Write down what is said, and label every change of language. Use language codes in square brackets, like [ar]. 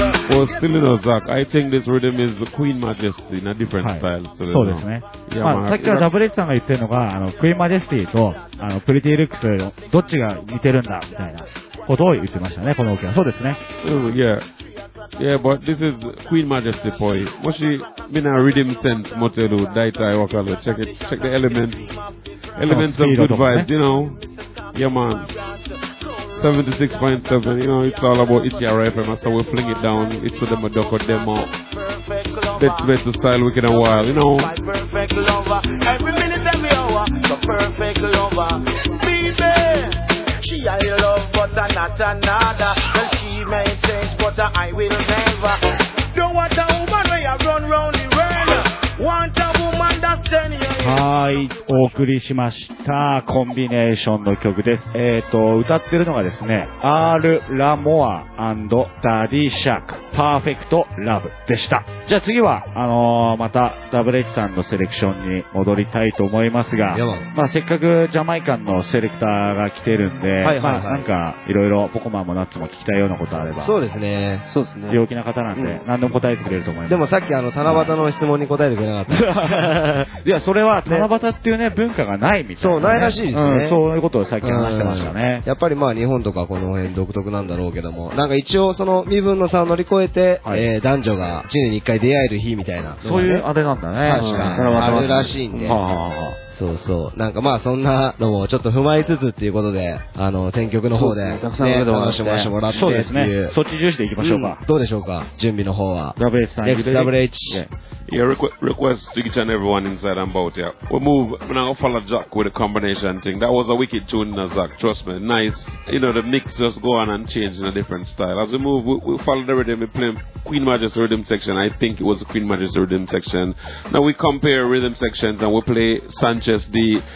[en] Well, still, you know, Zach, I think this rhythm is the Queen Majesty in a different style. So, you know. [ja] Yeah, まあ、さっきからダブレッジさんが言ってるのが、クイーンマジェスティとプリティルックス、どっちが似てるんだみたいなことを言ってましたね、このオケは。そうですね。 [en] Yeah, yeah, but this is Queen Majesty boy. [ja] もし、みんな、リディムセンス持てる、大体わかる。 [en] Check the elements. Elements of good vibes, you know. Yeah, man. 76.7, you know, it's all about Itiara FM. So we fling it down. It's for the Madoko demo. Let's make the style wicked and wild, you know. My perfect lover, every minute, every hour, the perfect lover. Baby, she a love, but I'm not another. Well, she may change, but I will never. Don't want a woman where you run round the world. Want a woman that's turning your head. [ja] はい、お送りしました。コンビネーションの曲です。歌ってるのがですね、アール・ラモア&ダディ・シャーク、パーフェクト・ラブでした。じゃあ次はまたダブレッジさんのセレクションに戻りたいと思いますが、まあ、せっかくジャマイカンのセレクターが来てるんで、はいはいはい、まあ、なんかいろいろポコマンもナッツも聞きたいようなことあれば。そうですね、そうですね、陽気な方なんで、うん、何でも答えてくれると思います。でもさっき七夕の質問に答えてくれなかった。いや、それは七夕っていう ね文化がないみたいな、ね、そうないらしいですね、うん、そういうことをさっき話してましたね。やっぱりまあ日本とかこの辺独特なんだろうけども、なんか一応その身分の差を乗り越えて、はい、男女が1年に1回出会える日みたいな、そういうあれなんだね、確か、うん、あるらしいんで、はあ、そうそう、なんかまあそんなのもちょっと踏まえつつっていうことで、選曲の方で、ね、たくさんお話しもらってっていう、そうですね、そっち重視でいきましょうか、うん、どうでしょうか、準備の方は WH さん、 XWH [en] Yeah, request to each and everyone inside and about, yeah. We move, now follow Jack with a combination thing. That was a wicked tune, Nazak, trust me. Nice, you know, the mix just go on and change in a different style. As we move, we follow the rhythm, we play Queen Majesty rhythm section. I think it was the Queen Majesty rhythm section. Now we compare rhythm sections and we play Sanchez D.